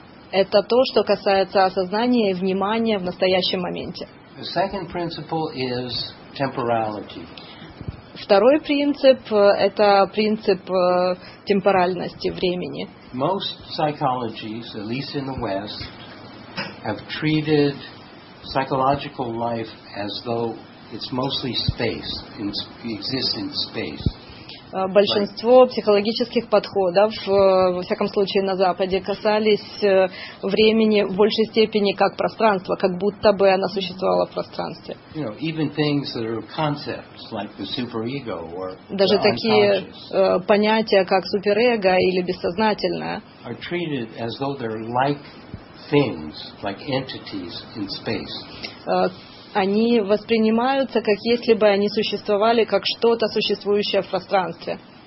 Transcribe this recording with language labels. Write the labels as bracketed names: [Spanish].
[Russian] Это то, что касается осознания и внимания в настоящем моменте. Второй принцип – это принцип темпоральности, времени. [English] Most psychologies, at least in the West, have treated psychological life as though it's mostly space, exists in space. [Russian] Большинство психологических подходов, во всяком случае на Западе, касались времени в большей степени как пространства, как будто бы она существовала в пространстве. [English] You know, even things that are concepts like the superego or the unconscious. [Russian] Даже такие понятия, как суперэго или бессознательное, [English] are treated as though they're like things, like entities in space. [Russian] Они воспринимаются, как если бы они существовали, как что-то, существующее в пространстве.